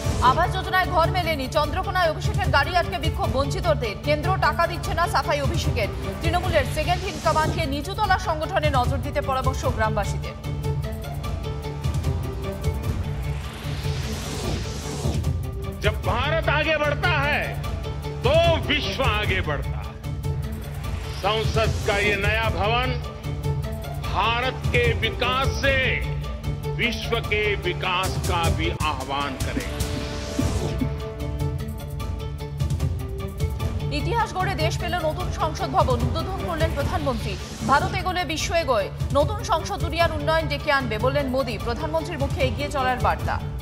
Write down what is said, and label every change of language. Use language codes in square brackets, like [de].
[bn] আবাস যোজনায় ঘর মেলেনি, চন্দ্রকোনায় অভিষেকের গাড়ি আটকে বিক্ষোভ বঞ্চিতদের, কেন্দ্র টাকা দিচ্ছে না সাফাই অভিষেকের, তৃণমূলের সেকেন্ড ইন কমান্ডকে নিচুতলা সংগঠনে নজর দিতে পরামর্শ গ্রামবাসীদের। [hi] जब भारत आगे बढ़ता है तो विश्व आगे बढ़ता है। संसद का ये नया भवन भारत के विकास से विश्व के विकास का भी आह्वान करेगा। [bn] ইতিহাস গড়ে দেশ পেল নতুন সংসদ ভবন, উদ্বোধন করলেন প্রধানমন্ত্রী। ভারত এগোলে বিশ্ব এগোয়, নতুন সংসদ দুনিয়ার উন্নয়ন ডেকে আনবে বললেন মোদী, প্রধানমন্ত্রীর মুখে এগিয়ে চলার বার্তা।